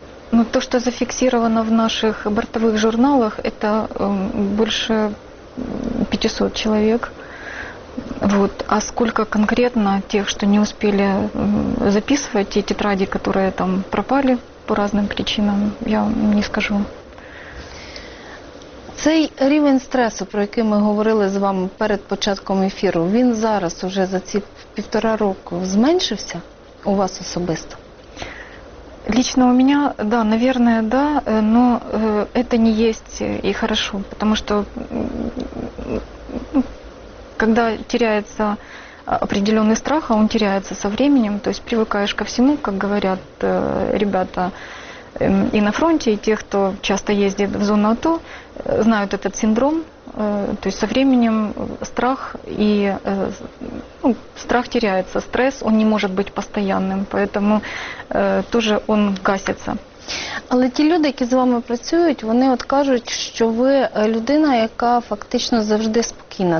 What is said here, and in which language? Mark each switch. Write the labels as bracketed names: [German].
[Russian] Ну, то, что зафиксировано в наших бортовых журналах, это больше 500 человек. Вот. А сколько конкретно тех, что не успели записывать, те тетради, которые там пропали по разным причинам, я не скажу. [Ukrainian] Цей рівень стресу, про який ми говорили з вами перед початком ефіру, він зараз уже за ці півтора року зменшився у вас особисто? [Russian] Лично у меня, да, наверное, да, но это не есть и хорошо, потому что когда теряется определенный страх, а он теряется со временем, то есть привыкаешь ко всему, как говорят ребята и на фронте, и те, кто часто ездит в зону АТО, знают этот синдром, то есть со временем страх и страх теряется, стресс, он не может быть постоянным, поэтому тоже он гасится. [Ukrainian] Але ті люди, які з вами працюють, вони от кажуть, що ви людина, яка фактично завжди спокійна.